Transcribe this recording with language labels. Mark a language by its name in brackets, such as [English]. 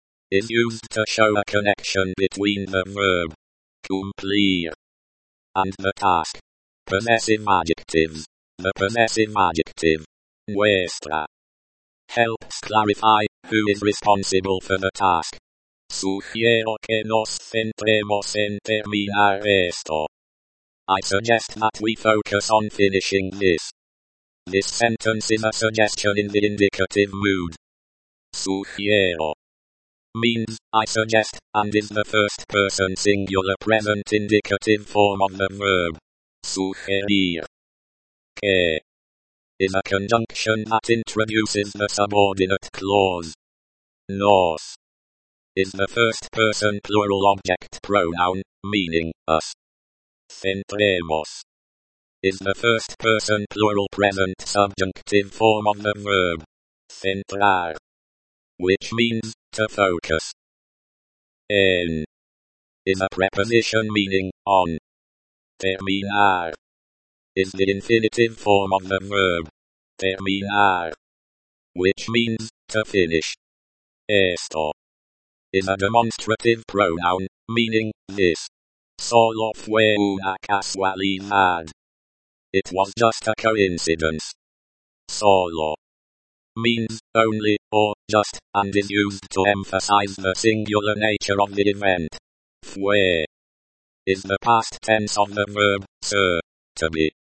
[English] Is used to show a connection between the verb. Cumplir. And the task. Possessive adjectives. The possessive adjective. Nuestra. Helps clarify, who is responsible for the task. [Spanish] Sugiero que nos centremos en terminar esto. [English] I suggest that we focus on finishing this. This sentence is a suggestion in the indicative mood. Sugiero. Means, I suggest, and is the first person singular present indicative form of the verb. Sugerir. Que. Is a conjunction that introduces the subordinate clause. Nos. Is the first person plural object pronoun, meaning, us. Centremos. Is the first person plural present subjunctive form of the verb. Centrar. Which means, to focus. En. Is a preposition meaning, on. Terminar. Is the infinitive form of the verb. Terminar. Which means, to finish. Esto. Is a demonstrative pronoun, meaning, this. [Spanish] Solo fue una casualidad. [English] It was just a coincidence. Solo. Means, only, or, just, and is used to emphasize the singular nature of the event. Fue. Is the past tense of the verb, ser, to be.